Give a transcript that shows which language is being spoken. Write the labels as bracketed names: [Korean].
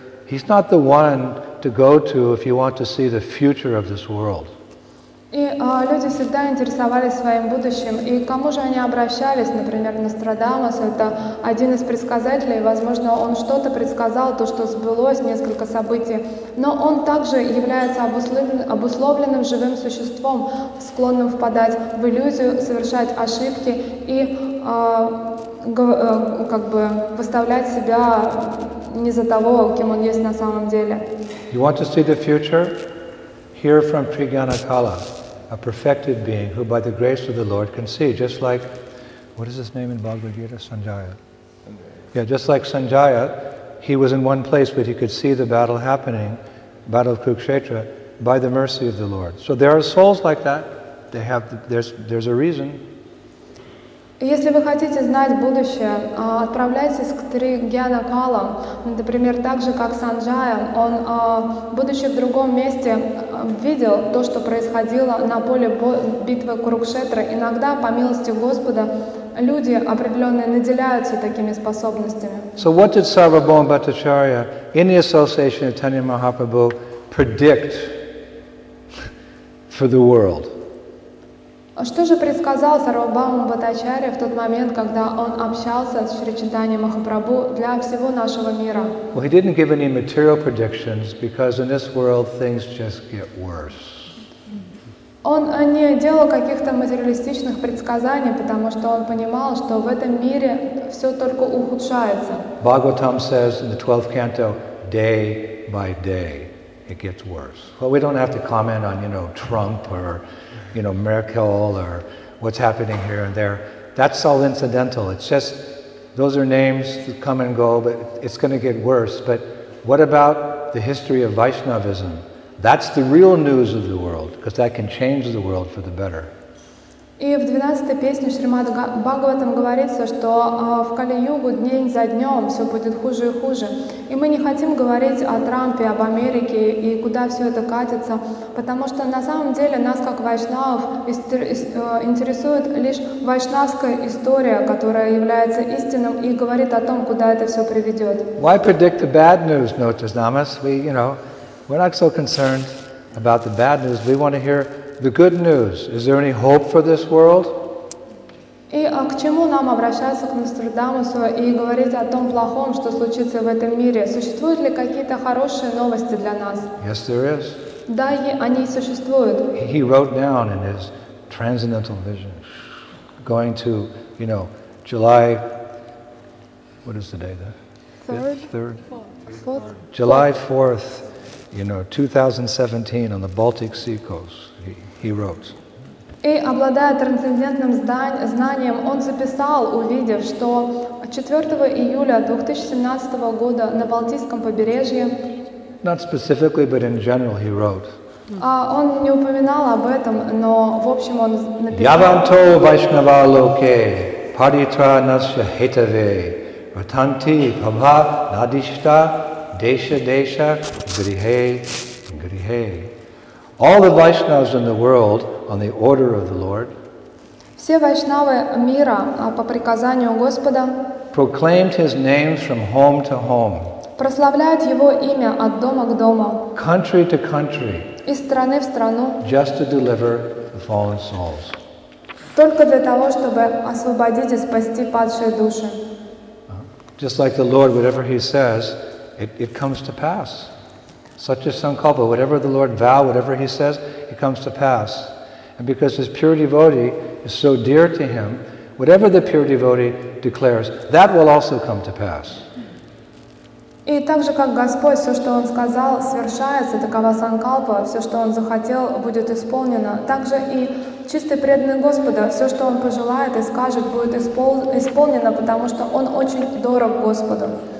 [English] He's not the one to go to if you want to see the future of this world. [Russian] И люди всегда интересовались своим будущим. И к кому же они обращались? Например, Нострадамус — это один из предсказателей. Возможно, он что-то предсказал, то, что сбылось, несколько событий. Но он также является обусловленным живым существом, склонным впадать в иллюзию, совершать ошибки и как бы выставлять себя не за того, кем он есть на самом деле. [English] You want to see the future? Hear from Prignanakala. A perfected being who by the grace of the Lord can see, just like, what is his name in Bhagavad Gita? Sanjaya. Yeah, just like Sanjaya, he was in one place but he could see the battle happening, battle of Kurukshetra, by the mercy of the Lord. So there are souls like that, they have, there's a reason. [Russian] Если вы хотите знать будущее, отправляйтесь к Тригьянакала. Например, так же, как Санджая, он, будучи в другом месте, видел то, что происходило на поле битвы Курукшетры. Иногда, по милости Господа, люди определенные наделяются такими способностями. [English] So what did Sarvabhauma Bhattacharya in the association of Chaitanya Mahaprabhu predict for the world? [Russian] Что же предсказал Сарвабхаума Бхаттачарья в тот момент, когда он общался с Шри Чайтаньей Махапрабху для всего нашего мира? [English] Well, he didn't give any material predictions because in this world things just get worse. [Russian] Он не делал каких-то материалистичных предсказаний, потому что он понимал, что в этом мире все только ухудшается. [English] Bhagavatam says in the 12th canto, day by day it gets worse. Well, we don't have to comment on, you know, Trump or you know, Merkel or what's happening here and there. That's all incidental. It's just, those are names that come and go, but it's going to get worse. But what about the history of Vaishnavism? That's the real news of the world, because that can change the world for the better. [Russian] И в 12-й песне Шримад Бхагаватам говорится, что в Кали-югу день за днем все будет хуже и хуже. И мы не хотим говорить о Трампе, об Америке и куда все это катится, потому что на самом деле нас, как вайшнавов, интересует лишь вайшнавская история, которая является истинным и говорит о том, куда это все приведет. [English] Why predict the bad news, Nostradamus? We, you know, we're not so concerned about the bad news. We want to hear the good news. Is there any hope for this world? [Russian] И к чему нам обращаться к Нострадамусу и говорить о том плохом, что случится в этом мире? Существуют ли какие-то хорошие новости для нас? [English] Yes, there is. [Russian] Да, они существуют. [English] He wrote down in his transcendental vision, going to, you know, July. What is the day? The 3rd. July 4th, you know, 2017, on the Baltic Sea coast. He wrote. [Russian] И обладая трансцендентным знанием, он записал, увидев, что 4 июля 2017 года на Балтийском побережье. [English] Not specifically, but in general, he wrote. [Russian] Он не упоминал об этом, но в общем он написал. [Sanskrit] Яванто вайшнава локе паритра насья хетаве ратанти пабха надишта деша деша грихе грихе. [English] All the Vaishnavas in the world, on the order of the Lord, [Russian] все вайшнавы мира по приказанию Господа, [English] proclaimed his name from home to home, [Russian] прославляют его имя от дома к дому, [English] country to country, [Russian] из страны в страну, [English] just to deliver the fallen souls, [Russian] только для того, чтобы освободить и спасти падшие души. [English] Just like the Lord, whatever he says, it comes to pass. Such as Sankalpa, whatever the Lord vow, whatever he says, it comes to pass. And because his pure devotee is so dear to him, whatever the pure devotee declares, that will also come to pass. [Russian] И так же, как Господь, все, что Он сказал, свершается, такова санкалпа, все, что Он захотел, будет исполнено. Так же и чистый преданный Господа, все, что Он пожелает и скажет, будет исполнено, потому что Он очень дорог Господу.